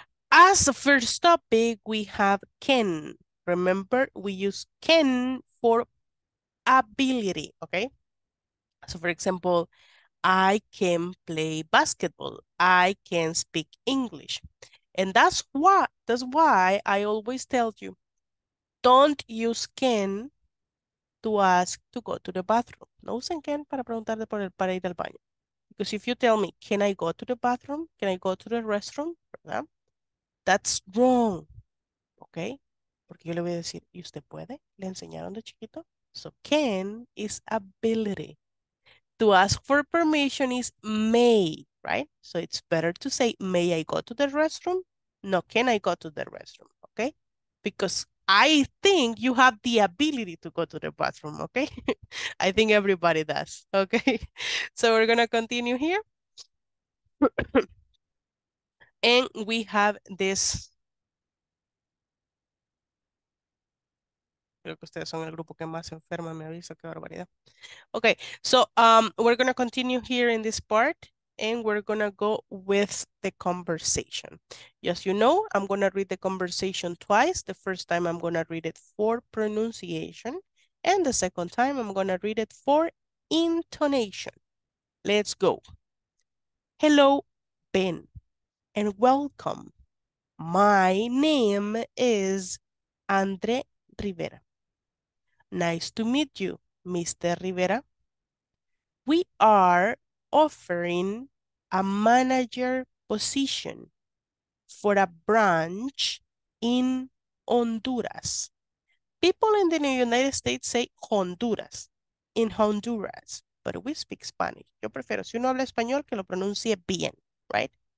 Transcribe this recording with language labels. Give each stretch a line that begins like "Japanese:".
English: As the first topic, we have can. Remember, we use can for ability, okay? So for example, I can play basketball. I can speak English. And that's why I always tell you, don't use can to ask to go to the bathroom.
Spanish: No usen can para preguntarle por el, para ir al baño.
English: Because if you tell me, can I go to the bathroom? Can I go to the restroom? ¿Verdad? That's wrong. Okay?
Spanish: Porque yo le voy a decir, ¿y usted puede? ¿Le enseñaron de chiquito?
English: So can is ability. To ask for permission is may, right? So it's better to say, may I go to the restroom? No, can I go to the restroom? Okay? Because I think you have the ability to go to the bathroom, okay? I think everybody does, okay? So we're gonna continue here. And we have this.
Spanish: Creo que ustedes son el grupo que más se enferma, me aviso, qué barbaridad.
English: Okay, so we're going to continue here in this part, and we're going to go with the conversation. Yes, you know, I'm going to read the conversation twice. The first time I'm going to read it for pronunciation, and the second time I'm going to read it for intonation. Let's go. Hello, Ben, and welcome. My name is Andre Rivera. Nice to meet you, Mr. Rivera. We are offering a manager position for a branch in Honduras. People in the United States say Honduras, in Honduras, but we speak Spanish.
Spanish: Yo prefiero, si uno habla español, que lo pronuncie bien, right?